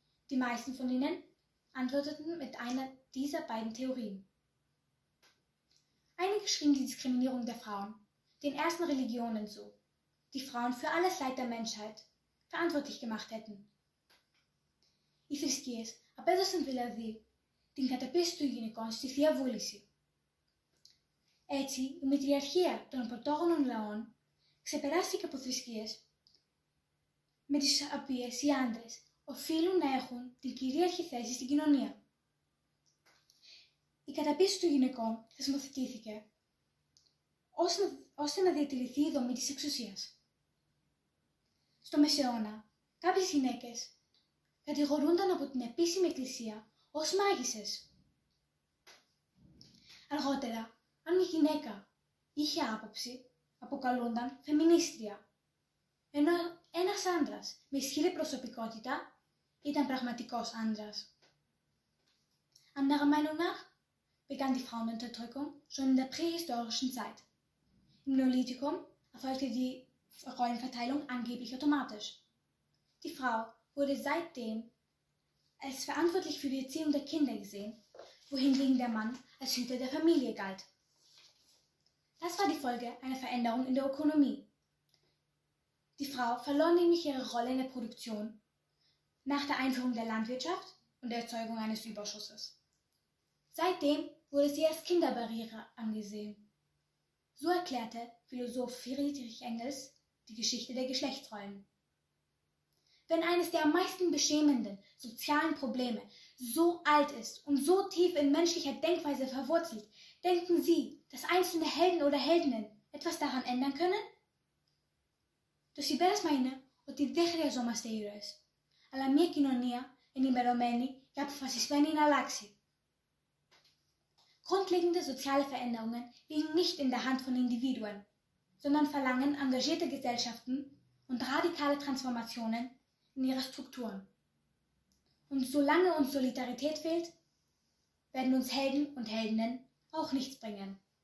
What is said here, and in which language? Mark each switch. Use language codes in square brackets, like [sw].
[de] Die meisten von ihnen antworteten mit einer dieser beiden Theorien. Einige schrieben die Diskriminierung der Frauen den ersten Religionen zu, die Frauen für alles Leid der Menschheit verantwortlich gemacht hätten. [el] Οι θρησκείες απέδωσαν δηλαδή την καταπίεση των γυναικών στη θεία βούληση. Έτσι, η μητριαρχία των πρωτόγονων λαών ξεπεράστηκε από θρησκείες με τις οποίες οι άντρες οφείλουν να έχουν την κυρίαρχη θέση στην κοινωνία. Η καταπίεση των γυναικών θεσμοθετήθηκε ώστε να διατηρηθεί η δομή της εξουσίας. Στο Μεσαιώνα, κάποιες γυναίκες κατηγορούνταν από την επίσημη εκκλησία ως μάγισσες. Αργότερα, αν η γυναίκα είχε άποψη, αποκαλούνταν φεμινίστρια, ενώ ένας άντρας με ισχυρή προσωπικότητα ήταν πραγματικός άντρας. [de] Anderer Meinung nach begann die Frauenunterdrückung schon in der prähistorischen Zeit. Im Neolithikum erfolgte die Rollenverteilung angeblich automatisch. Die Frau wurde seitdem als verantwortlich für die Erziehung der Kinder gesehen, wohingegen der Mann als Hüter der Familie galt. Das war die Folge einer Veränderung in der Ökonomie. Die Frau verlor nämlich ihre Rolle in der Produktion nach der Einführung der Landwirtschaft und der Erzeugung eines Überschusses. Seitdem wurde sie als Kinderbarriere angesehen. So erklärte Philosoph Friedrich Engels die Geschichte der Geschlechtsrollen. Wenn eines der am meisten beschämenden sozialen Probleme so alt ist und so tief in menschlicher Denkweise verwurzelt, denken Sie, dass einzelne Helden oder Heldinnen etwas daran ändern können? [el] Τους υπέρας μαϊνε ότι δεν χρειαζόμαστε ήρωες, αλλά μια κοινωνία ενημερωμένη και αποφασισμένη να αλλάξει. [de] Grundlegende soziale Veränderungen liegen nicht in der Hand von Individuen, sondern verlangen engagierte Gesellschaften und radikale Transformationen in ihre Strukturen. Und solange uns Solidarität fehlt, werden uns Helden und Heldinnen auch nichts bringen.